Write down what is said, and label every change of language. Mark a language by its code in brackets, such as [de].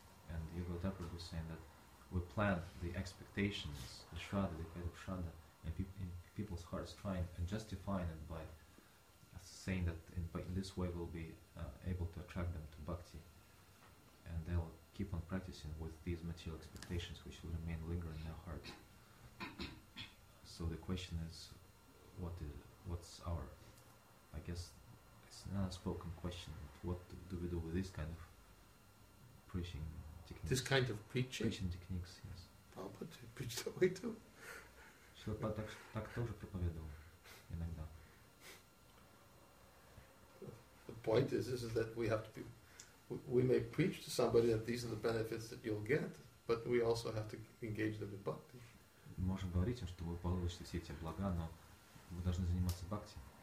[en] And Yoga Dapra was saying that we plant the expectations, the shraddha, the kind of shraddha, in people's hearts, trying and justifying it by saying that in this way we'll be able to attract them to bhakti, and they'll keep on practicing with these material expectations which will remain lingering in their heart. So the question is, what's our, I guess it's an unspoken question, what do we do with this kind of preaching techniques? This kind of preaching? Preaching techniques, yes. Prabhupada preached that way too. [ru] Шрила Прабхупада так тоже проповедовал иногда. [en] The point is that we have to be, we may preach to somebody that these are the benefits that you'll get, but we also have to engage them in bhakti. [ru] Мы можем говорить им, что вы получите все эти блага, но вы должны заниматься бхакти.